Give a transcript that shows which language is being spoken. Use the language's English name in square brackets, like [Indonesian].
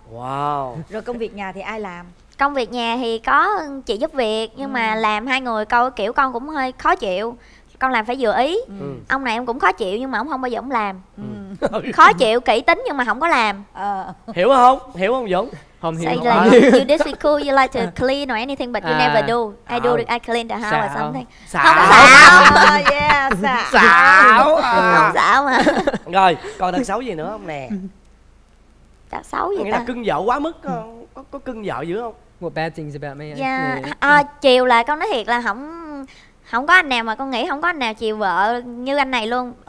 [English] Wow. [Vietnamese] Rồi công việc nhà thì ai làm? Công việc nhà thì có chị giúp việc, nhưng mà làm hai người câu kiểu con cũng hơi khó chịu, con làm phải vừa ý. Ông này em cũng khó chịu nhưng mà ông không bao giờ ông làm. Khó chịu kỹ tính nhưng mà không có làm. Hiểu không? Hiểu không Dũng? Không hiểu. [English] So like you disagree cool, you like to clean or anything but you never do. I do it, I clean the house or something. [Vietnamese] Xạo. [English] Yeah, [Vietnamese] xạo. Không xạo mà. Rồi, còn đằng xấu gì nữa không nè? Đằng xấu gì ta? Người ta cưng vợ quá mức, có cưng vợ dữ không? [English] What bad things about me? [Vietnamese] Yeah, chiều là con nói thiệt là không có anh nào mà con nghĩ không có anh nào chiều vợ như anh này luôn.